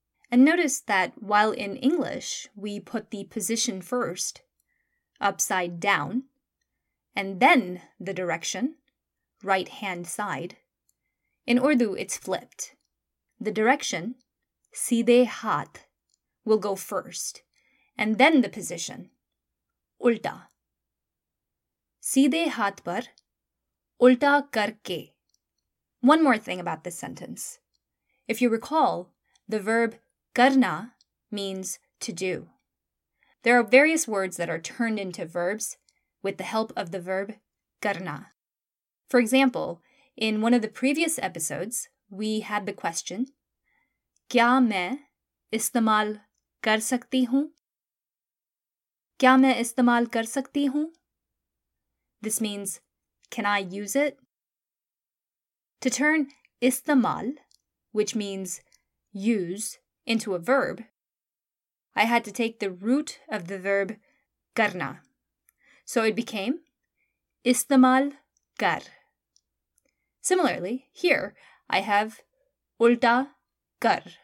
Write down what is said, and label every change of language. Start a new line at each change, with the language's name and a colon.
English: And notice that while in English, we put the position first, upside down, and then the direction, right-hand side. In Urdu, it's flipped. The direction, سیدھے ہاتھ, will go first, and then the position, الٹا.
Urdu: سیدھے ہاتھ پر، الٹا کر کے۔
English: One more thing about this sentence. If you recall, the verb karna means to do. There are various words that are turned into verbs with the help of the verb karna. For example, in one of the previous episodes, we had the question,
Urdu: کیا میں استعمال کر سکتی ہوں؟ کیا میں استعمال کر سکتی ہوں؟
English: This means, can I use it? To turn istemal, which means use, into a verb, I had to take the root of the verb karna. So it became istemal kar. Similarly, here I have ulta kar.